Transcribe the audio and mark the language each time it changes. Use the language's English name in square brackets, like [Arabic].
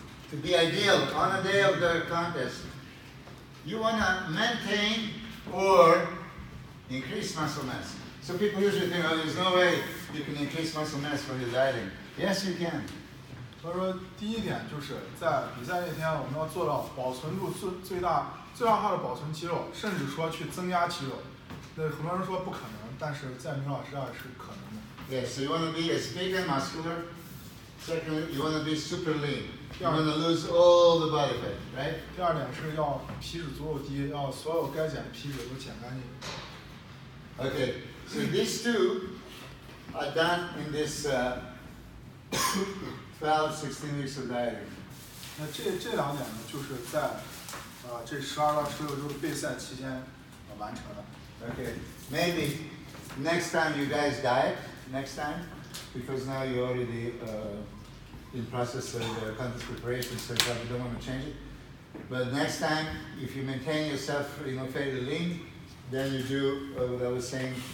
[English] To be ideal on the day of the contest. You want to maintain or increase muscle mass. So people usually think, oh, there's no way you can increase muscle mass from your dieting. Yes, you can. [Chinese] 他说第一点就是在比赛那天我们要做到保存住最大化的保存肌肉，甚至说去增加肌肉。那很多人说不可能，但是在明老师那儿是可能的。 [English] Yes, so you want to be as big and muscular. Second, you want to be super lean. You're going to lose all the body fat, right? [Chinese] 第二点是要皮脂足够低，要所有该减的皮脂都减干净。 [English] Okay, so these two are done in this 12-16 weeks of dieting. [Chinese] 那这两点呢，就是在这12到16周的备赛期间完成的。 [English] Okay, maybe next time you guys diet, next time, because now you already in process of the contest preparation, so you don't want to change it. But next time, if you maintain yourself, you know, fairly lean, then you do what I was saying.